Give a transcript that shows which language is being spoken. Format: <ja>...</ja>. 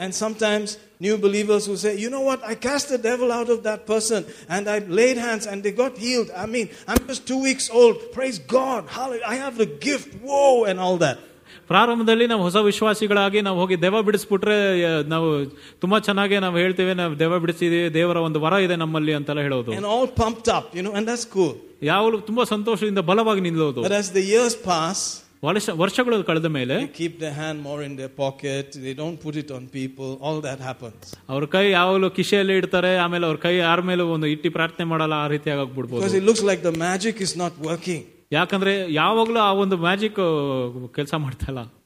<en>And sometimes new believers who say, you know what, I cast the devil out of that person and I laid hands and they got healed. I mean, I am just 2 weeks old, praise God, I have the gift, wow and all that.</en> <kn>ಪ್ರಾರಂಭದಲ್ಲಿ ನಾವು ಹೊಸ ವಿಶ್ವಾಸಿಗಳಾಗಿ ನಾವು ಹೋಗಿ ದೆವ್ವ ಬಿಡಿಸ್ಬಿಟ್ರೆ ನಾವು ತುಂಬಾ ಚೆನ್ನಾಗಿ ನಾವು ಹೇಳ್ತೇವೆ, ನಾವು ದೆವ್ವ ಬಿಡಿಸಿದೀವಿ, ದೇವರ ಒಂದು ವರ ಇದೆ ನಮ್ಮಲ್ಲಿ ಅಂತೆಲ್ಲ ಹೇಳೋದು.</kn> <en>And all pumped up, you know, and that's cool.</en> <kn>ಯಾವಾಗಲೂ ತುಂಬಾ ಸಂತೋಷದಿಂದ ಬಲವಾಗಿ ನಿಲ್ಲೋದು.</kn> <en>But as the years pass,</en> <kn>ವರ್ಷಗಳು ಕಳೆದ ಮೇಲೆ</kn> <en>they keep their hand more in their pocket, they don't put it on people, all that happens.</en> <kn>ಅವ್ರ ಕೈ ಯಾವಾಗಲೂ ಕಿಶೆಯಲ್ಲಿ ಇಡ್ತಾರೆ, ಆಮೇಲೆ ಅವ್ರ ಕೈ ಯಾರ ಮೇಲೂ ಒಂದು ಇಟ್ಟು ಪ್ರಾರ್ಥನೆ ಮಾಡಲ್ಲ, ಆ ರೀತಿಯಾಗಿ ಆಗ್ಬಿಡ್ಬೋದು.</kn> <en>Because it looks like the magic is not working.</en> <kn>ಯಾಕಂದ್ರೆ ಯಾವಾಗ್ಲೂ ಆ ಒಂದು ಮ್ಯಾಜಿಕ್ ಕೆಲಸ ಮಾಡ್ತಲ್ಲ.</kn>